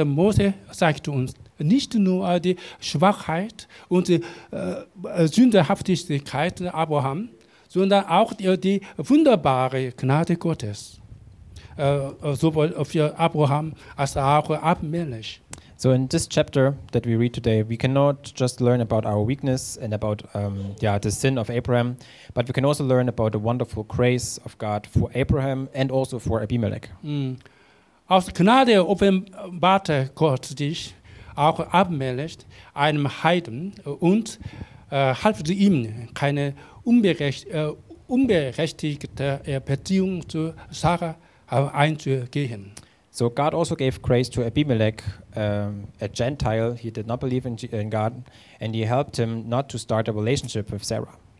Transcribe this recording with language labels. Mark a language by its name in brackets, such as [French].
[German] Mose zeigt uns nicht nur die Schwachheit und die Sündhaftigkeit Abraham, sondern auch die wunderbare Gnade Gottes, sowohl für Abraham als auch für Abimelech. [English] So in this chapter that we read today, we cannot just learn about our weakness and about the sin of Abraham, but we can also learn about the wonderful grace of God for Abraham and also for Abimelech. [German] Aus Gnade offenbarte Gott sich auch Abimelech, einem Heiden, und half ihm, keine unberechtigte Beziehung zu Sarah einzugehen. [English] So God also gave grace to Abimelech, a Gentile. He did not believe in God, and he helped him not to start a relationship with Sarah.